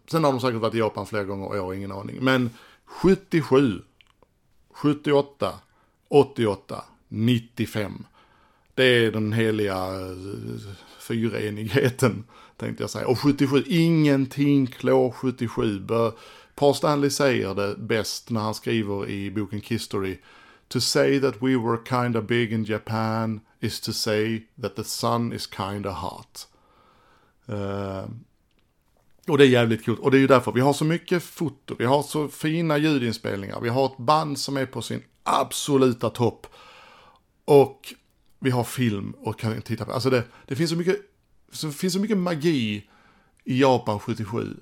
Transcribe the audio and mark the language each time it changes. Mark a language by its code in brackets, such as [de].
[sv] Sen har de säkert varit i Japan flera gånger och jag har ingen aning. Men 77, 78, 88, 95. Det är den heliga fyrenigheten, tänkte jag säga. Och 77, ingenting klår 77. Paul Stanley säger det bäst när han skriver i boken History. [en] To say that we were kinda big in Japan is to say that the sun is kinda hot. [sv] Och det är jävligt coolt. Och det är ju därför vi har så mycket foto. Vi har så fina ljudinspelningar. Vi har ett band som är på sin absoluta topp. Och vi har film och kan titta på. Alltså det finns så mycket magi i Japan 77.